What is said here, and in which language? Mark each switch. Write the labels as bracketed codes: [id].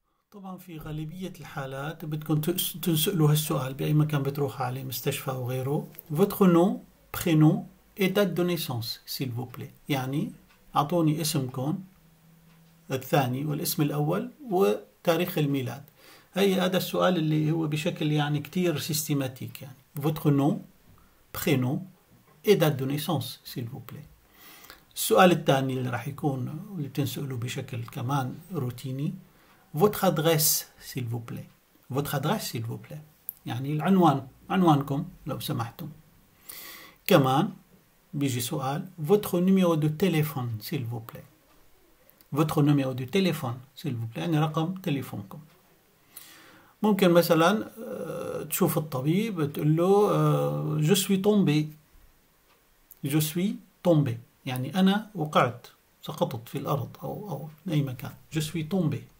[ar] طبعا في غالبية الحالات بتكون تنسألوا هالسؤال بأي مكان بتروح عليه، مستشفى أو غيره. [fr] Votre nom, prénom et date de naissance, s'il vous plaît. [ar] يعني أعطوني اسمكم الثاني والاسم الأول وتاريخ الميلاد. هي هذا السؤال اللي هو بشكل يعني كتير سيستيماتيك، يعني [fr] Votre nom, prénom et date de naissance, s'il vous plaît. [ar] السؤال الثاني اللي راح يكون اللي بتنسأله بشكل كمان روتيني، [fr] Votre adresse, s'il vous plaît. Votre adresse, s'il vous plaît. [ar] يعني العنوان، عنوانكم لو سمحتم. كمان بيجي سؤال، [fr] Votre numéro de téléphone, s'il vous plaît. Votre numéro de téléphone, s'il vous plaît. [ar] يعني رقم تليفونكم. ممكن مثلا تشوف الطبيب تقول له [fr] Je suis tombé. Je suis tombé. [ar] يعني أنا وقعت، سقطت في الأرض أو أي مكان. [fr] Je suis tombé.